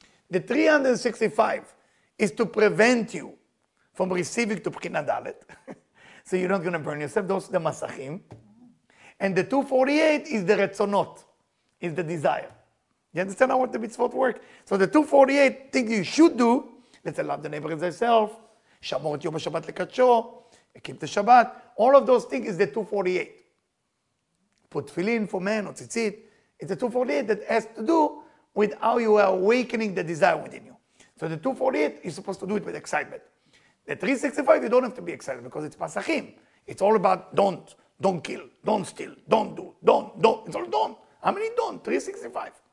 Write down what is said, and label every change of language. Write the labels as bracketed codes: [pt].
[en] The 365 is to prevent you from receiving to Bchina Dalet. So you're not going to burn yourself. Those are the masachim. And the 248 is the retzonot, is the desire. You understand how the mitzvot work? So the 248 thing you should do, let's love the neighbor as yourself. [he] שמור את יום השבת לקדשו, הקים את השבת, [en] all of those things is the 248. Put tefillin for man, or tzitzit, it's the 248 that has to do with how you are awakening the desire within you. So the 248, you're supposed to do it with excitement. The 365, you don't have to be excited because it's pasachim. It's all about don't kill, don't steal, don't do, it's all don't. How many don't? 365.